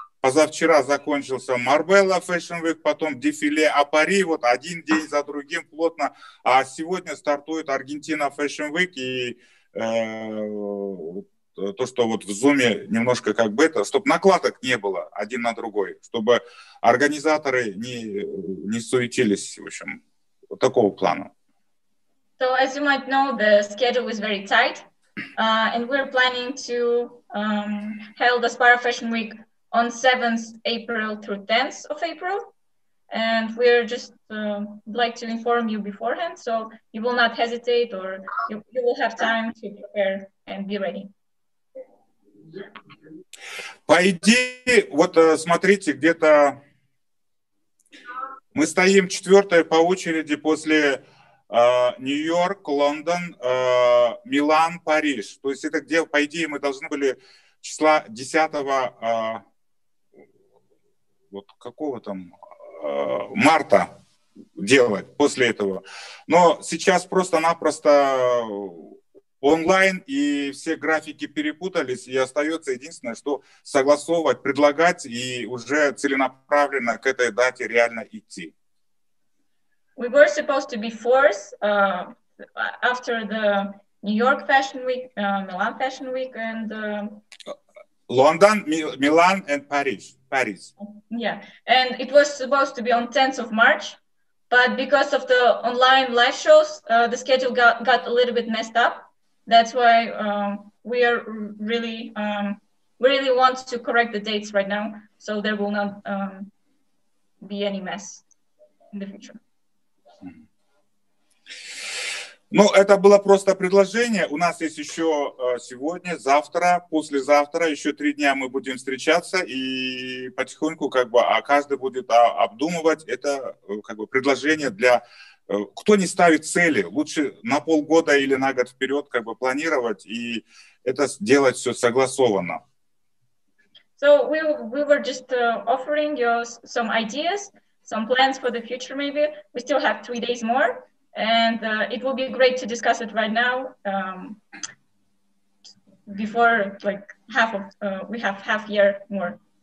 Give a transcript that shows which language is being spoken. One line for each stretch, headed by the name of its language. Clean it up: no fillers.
Russian: позавчера закончился Marbella Fashion Week, потом дефиле Апари, вот один день за другим плотно, а сегодня стартует Аргентина Fashion Week, и то, что вот в Zoom немножко как бы это, чтобы накладок не было один на другой, чтобы организаторы не суетились, в общем, вот такого плана.
English: So, as you might know, the schedule is very tight, and we're planning to hold the Aspara Fashion Week on 7th April through 10th of April, and we're just like to inform you beforehand, so you will not hesitate, or you will have time to prepare and be ready.
Russian: По идее, вот смотрите, где-то мы стоим четвертое по очереди после Нью-Йорк, Лондон, Милан, Париж. То есть это где, по идее, мы должны были числа 10-го, вот какого там, марта делать после этого. Но сейчас просто-напросто онлайн, и все графики перепутались, и остается единственное, что согласовывать, предлагать и уже целенаправленно к этой дате реально идти.
English: We were supposed to be fourth after the New York Fashion Week, Milan Fashion Week, and London, Milan, and Paris. Yeah, and it was supposed to be on 10th of March, but because of the online live shows, the schedule got a little bit messed up. That's why we are really, really want to correct the dates right now, so there will not be any mess in the future.
Russian: Ну, это было просто предложение. У нас есть еще сегодня, завтра, послезавтра, еще три дня мы будем встречаться и потихоньку как бы, а каждый будет обдумывать это как бы предложение для, кто не ставит цели, лучше на полгода или на год вперед как бы планировать и это сделать все согласованно.
English: So we were just offering you some ideas, some plans for the future maybe. We still have 3 days more. And it will be great to discuss it right now, before like half of we have half year more.